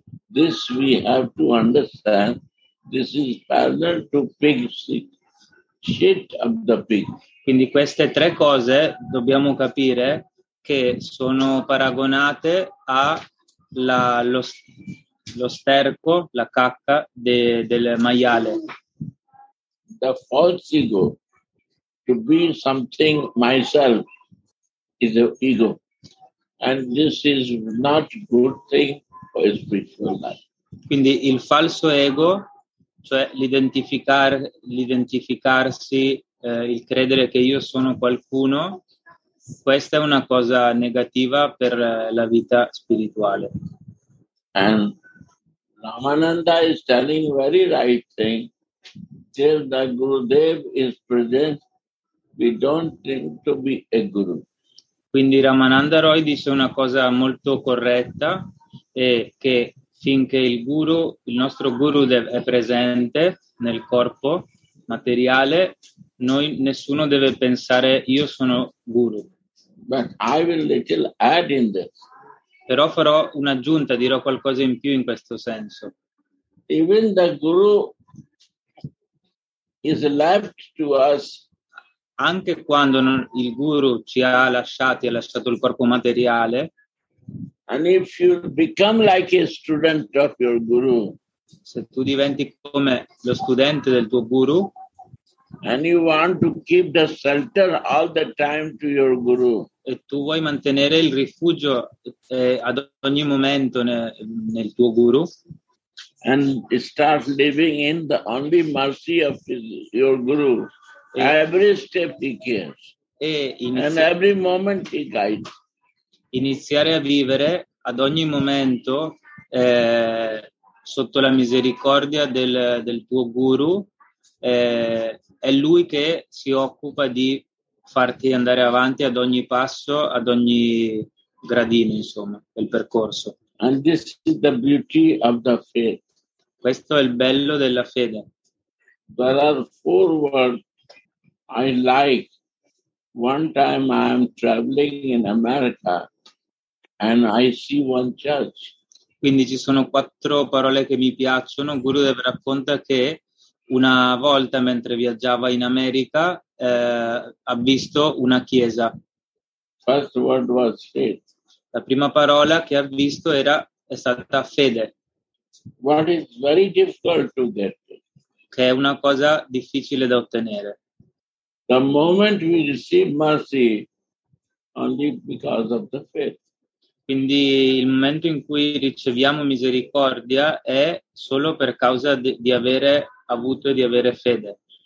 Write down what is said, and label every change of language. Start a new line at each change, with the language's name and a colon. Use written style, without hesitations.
English: This we have to understand, this is parallel to pig shit of the pig.
Italian: Quindi queste tre cose dobbiamo capire che sono paragonate allo sterco, la cacca del maiale.
English: The false ego, to be something myself, is the ego. And this is not a good thing for a spiritual life.
Italian: Quindi il falso ego, cioè l'identificarsi, il credere che io sono qualcuno, questa è una cosa negativa per la vita spirituale.
English: And Ramananda is telling very right thing. Till the Gurudev is present, we don't think to be a guru.
Italian: Quindi Ramananda Roy dice una cosa molto corretta, e che finché il guru, il nostro Gurudev è presente nel corpo materiale, noi nessuno deve pensare io sono guru.
English: But I will little add in this.
Italian: Però farò un'aggiunta, dirò qualcosa in più in questo senso.
English: Even the guru is left to us.
Italian: Anche quando il guru ci ha lasciati, ha lasciato il corpo materiale.
English: And if you become like a student of your guru.
Italian: Se tu diventi come lo studente del tuo guru.
English: And you want to keep the shelter all the time to your guru.
Italian: E tu vuoi mantenere il rifugio ad ogni momento nel tuo guru.
English: And start living in the only mercy of your guru. Every step he cares. And every moment he guides.
Italian: Iniziare a vivere ad ogni momento sotto la misericordia del tuo guru. È lui che si occupa di farti andare avanti ad ogni passo, ad ogni gradino, insomma, del percorso.
English: And this is the beauty of the faith.
Italian: Questo è il bello della fede.
English: There are four words I like. One time I am traveling in America and I see one church.
Italian: Quindi ci sono quattro parole che mi piacciono. Gurudev racconta che una volta mentre viaggiava in America ha visto una chiesa.
English: First word was faith.
Italian: La prima parola che ha visto è stata fede.
English: What is very difficult to get.
Italian: Che è una cosa difficile da ottenere.
English: The moment we receive mercy only because of the faith.
Italian: Quindi il momento in cui riceviamo misericordia è solo per causa di avere avuto e di avere fede.